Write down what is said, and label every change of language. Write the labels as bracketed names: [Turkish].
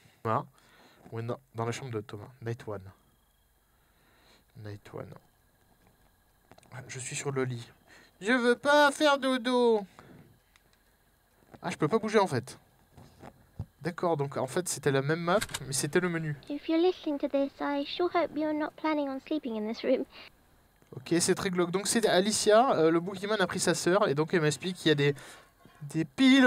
[French] Thomas. Ouais, non, dans la chambre de Thomas. [English] Night One. Night One. [French] Je suis sur le lit. Je veux pas faire dodo. Ah, je peux pas bouger en fait. D'accord, donc en fait c'était la même map, mais c'était le menu. [English] If you're listening to this, I sure hope you're not planning on sleeping in this room. [French] Ok, c'est très glauque. Donc c'est Alicia, le Boogeyman a pris sa sœur, et donc elle m'explique qu'il y a des piles.